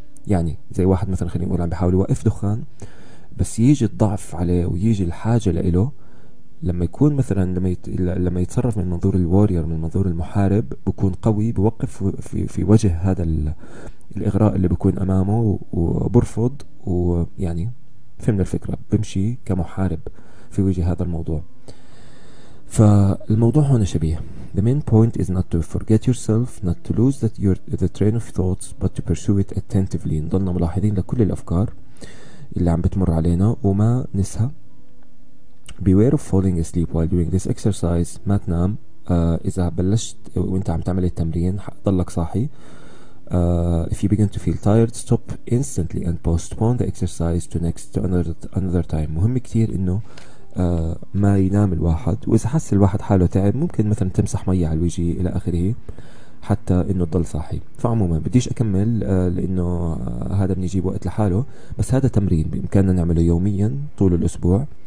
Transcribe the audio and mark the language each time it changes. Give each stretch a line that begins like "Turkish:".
Arabic: يعني زي واحد مثلا خلينا نقول عم بحاول يوقف دخان بس يجي الضعف عليه ويجي الحاجة لإله لما يكون مثلاً لما يتصرف من منظور الوارير من منظور المحارب بكون قوي بوقف في وجه هذا الإغراء اللي بكون أمامه وبرفض ويعني فهمنا الفكرة بمشي كمحارب في وجه هذا الموضوع. فالموضوع هنا شبيه
English: the main point is not to forget yourself not to lose that the train of thoughts but to pursue it attentively.
Arabic: نضلنا ملاحظين لكل الأفكار اللي عم بتمر علينا وما نسها.
English: Beware of falling asleep while doing this exercise.
Arabic: ما تنام إذا بلشت وإنت عم تعمل التمرين ضلك صاحي.
English: If you begin to feel tired, stop instantly and postpone the exercise to another time.
Arabic: مهم كتير إنه ما ينام الواحد وإذا حس الواحد حاله تعب ممكن مثلا تمسح مية على الوجه إلى آخره حتى إنه تضل صاحي. فعموما بديش أكمل لأنه هذا بنيجي وقت لحاله بس هذا تمرين بإمكاننا نعمله يوميا طول الأسبوع.